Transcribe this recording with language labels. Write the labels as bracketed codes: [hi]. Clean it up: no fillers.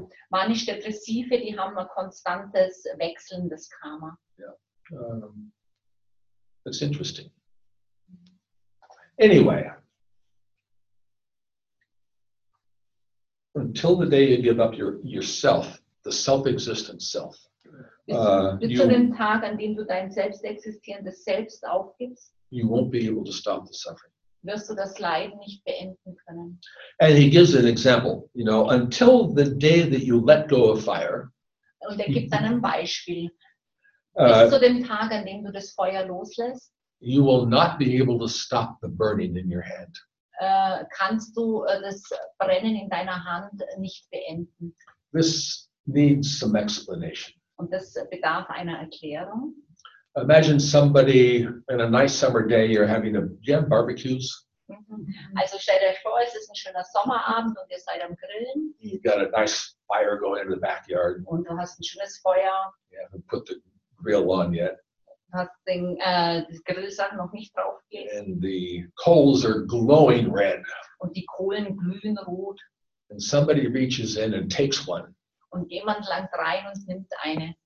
[de] Manisch-depressive, die haben ein konstantes Wechseln des Karma. [en] Yeah. That's interesting. Anyway, until the day you give up yourself, the self-existent self, [de] bis zu dem Tag, an dem du dein selbstexistierendes Selbst aufgibst, [en] you won't be able to stop the suffering. [de] Wirst du das Leiden nicht beenden können. [en] And he gives an example, you know, until the day that you let go of fire. [de] Und gibt einem Beispiel. Bis zu dem Tag, an dem du das Feuer loslässt, [en] you will not be able to stop the burning in your hand. [de] Kannst du das Brennen in deiner Hand nicht beenden. [en] This needs some explanation. [de] Und das bedarf einer Erklärung. [en] Imagine somebody in a nice summer day, you're having a, do you have barbecues? [de] Also stellt euch vor, es ist ein schöner Sommerabend und ihr seid am Grillen. [en] You've got a nice fire going in the backyard. [de] Und du hast ein schönes Feuer. [en] You haven't put the grill on yet. [de] Hast den Grillsack noch nicht draufgelegt. [en] And the coals are glowing red. [de] Und die Kohlen glühen rot. [en] And somebody reaches in and takes one. [de] Und jemand langt rein und nimmt eine.